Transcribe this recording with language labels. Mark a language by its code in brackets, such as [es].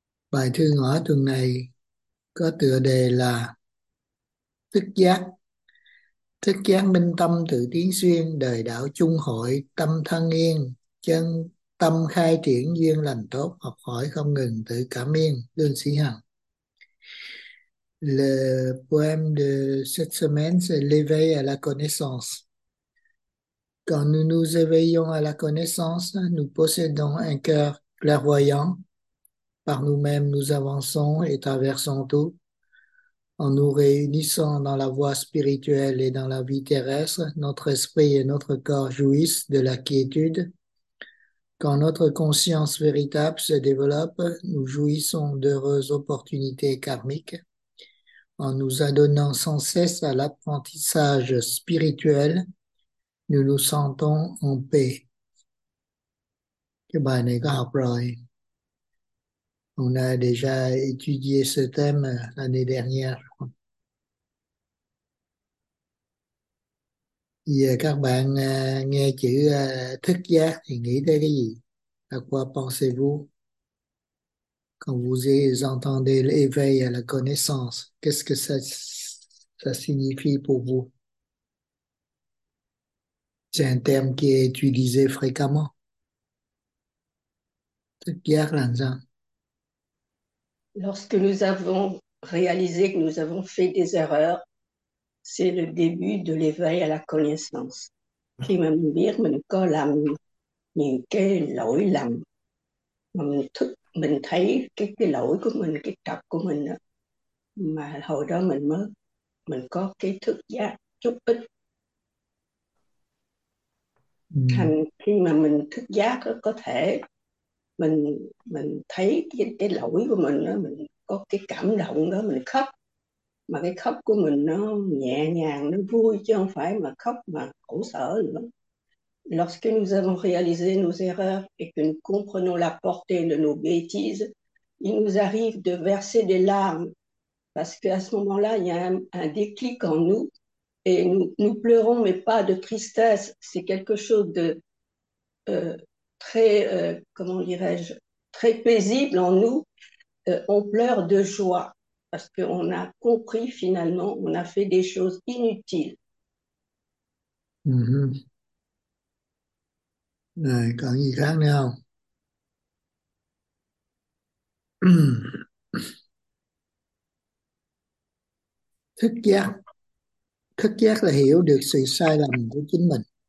[vi] Bài thơ ngõ tuần này có tựa đề là Thức giác. Thức giác minh tâm tự tiến xuyên, đời đạo chung hội tâm thân yên, chân tâm khai triển duyên lành tốt, học hỏi không ngừng tự cảm yên, Đương Sĩ Hằng. [fr] Le poème de cette semaine c'est l'éveil à la connaissance. Quand nous nous éveillons à la connaissance, nous possédons un cœur clairvoyant. Par nous-mêmes, nous avançons et traversons tout. En nous réunissant dans la voie spirituelle et dans la vie terrestre, notre esprit et notre corps jouissent de la quiétude. Quand notre conscience véritable se développe, nous jouissons d'heureuses opportunités karmiques. En nous adonnant sans cesse à l'apprentissage spirituel, nous nous sentons en paix. [vi] Cái bài này có học rồi. [fr] On a déjà étudié ce thème l'année dernière. [vi] Giờ các bạn nghe chữ thức giác thì nghĩ tới cái gì? [fr] À quoi pensez-vous? Quand vous entendez l'éveil à la connaissance, qu'est-ce que ça signifie pour vous? C'est un terme qui est utilisé fréquemment. [vi] Thức giác là sao? [fr] Lorsque nous avons réalisé que nous avons fait des erreurs, c'est le début de l'éveil à la connaissance. [vi] Khi mà mình biết mình có làm những cái lỗi lầm, mà mình thấy cái lỗi của mình, cái tật của mình đó, mà hồi đó mình có cái thức giác chút ít. Thành khi mà mình thức giác đó, có thể mình thấy cái lỗi của mình đó, mình có cái cảm động đó, mình khóc, mà cái khóc của mình nó nhẹ nhàng, nó vui, chứ không phải mà khóc mà khổ sở nữa. [fr] Lorsque nous avons réalisé nos erreurs et que nous comprenons la portée de nos bêtises, il nous arrive de verser des larmes parce qu'à ce moment-là, il y a un déclic en nous et nous pleurons, mais pas de tristesse. C'est quelque chose de très, comment dirais-je, très paisible en nous. On pleure de joie parce qu'on a compris finalement, on a fait des choses inutiles. [vi] Rồi, còn gì khác nữa không? Thức giác. Thức giác là hiểu được sự sai lầm của chính mình.